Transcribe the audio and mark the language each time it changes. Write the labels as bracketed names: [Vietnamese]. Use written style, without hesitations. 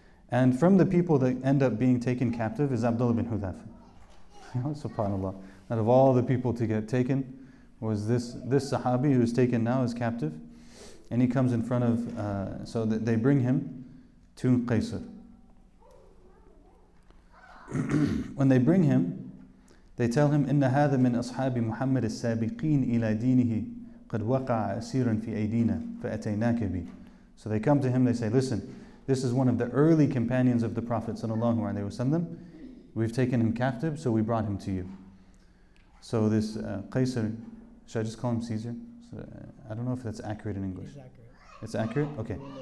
[English] And from the people that end up being taken captive is Abdullah ibn Hudhafa. SubhanAllah. Out of all the people to get taken was this Sahabi who's taken now as captive. And he comes in front of, so that they bring him to Qaisar. When they bring him, they tell him, [Arabic] إِنَّ هَذَا مِنْ أَصْحَابِ مُحَمَّدِ السَّابِقِينَ إِلَى دِينِهِ قَدْ وَقَعَ أَسِيرًا فِي أَيْدِينَا فَأَتَيْنَاكَ بِهِ. [English] So they come to him, they say, listen, this is one of the early companions of the Prophet sallallahu alaihi wasallam. We've taken him captive, so we brought him to you. So this Qaisar, should I just call him Caesar? I don't know if that's accurate in English. It's accurate. It's accurate? Okay.